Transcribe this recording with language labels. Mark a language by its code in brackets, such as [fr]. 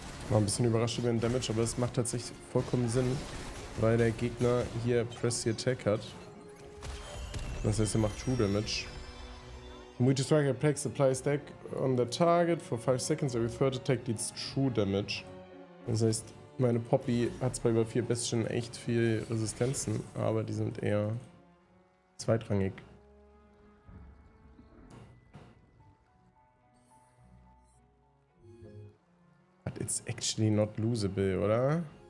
[de] War ein bisschen überrascht über den Damage, aber das macht tatsächlich vollkommen Sinn, weil der Gegner hier Press the Attack hat. Das heißt, er macht True Damage. [en] Multi Striker Plex applies Deck on the target for 5 seconds, every third attack deals True Damage. [de] Das heißt, meine Poppy hat zwar über 4 Bestien echt viel Resistenzen, aber die sind eher zweitrangig. [en] It's actually not losable, [de] oder?